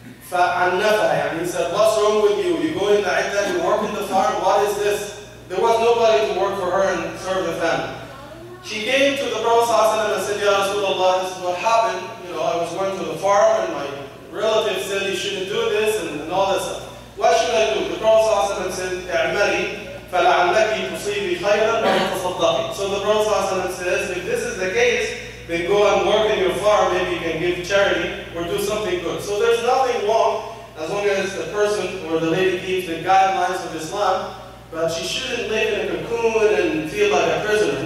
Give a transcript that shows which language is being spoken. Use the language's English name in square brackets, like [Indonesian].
[Arabic] فَعَنَّفَهَا [English] And he said, what's wrong with you? You go in the idda, you work in the farm, what is this? There was nobody to work for her and serve the family. She came to the Prophet and said, Ya Rasulullah, this is what happened. You know, I was going to the farm and my relative said you shouldn't do this and all this stuff. What should I do? The Prophet said, [Arabic] اعملي فلعلكي تصيبي خيرا وتصدقي. [English] So the Prophet says, if this is the case, then go and work in your farm. Maybe you can give charity or do something good. So there's nothing wrong as long as the person or the lady keeps the guidelines of Islam. But she shouldn't live in a cocoon and feel like a prisoner.